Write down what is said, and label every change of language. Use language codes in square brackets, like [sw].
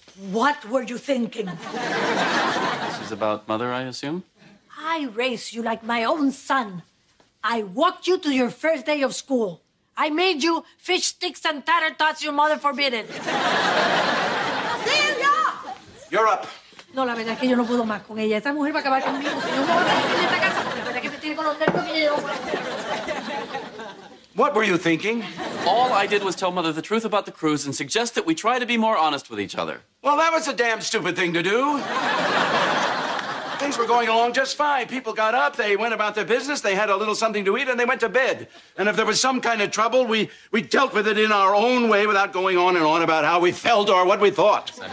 [en] What were you thinking? This is about Mother, I assume? I raised you like my own son. I walked you to your first day of school. I made you fish sticks and tater tots your mother forbidden. Celia! You're up. [es] No, la verdad es que yo no puedo más con ella. Esa mujer va a acabar conmigo. Si yo no voy a vivir en esta casa, la verdad es que me tiene con los nervios que yo no puedo. [en] What were you thinking? All I did was tell Mother the truth about the cruise and suggest that we try to be more honest with each other. Well, that was a damn stupid thing to do. Things were going along just fine. People got up, they went about their business, they had a little something to eat, and they went to bed. And if there was some kind of trouble, we dealt with it in our own way without going on and on about how we felt or what we thought.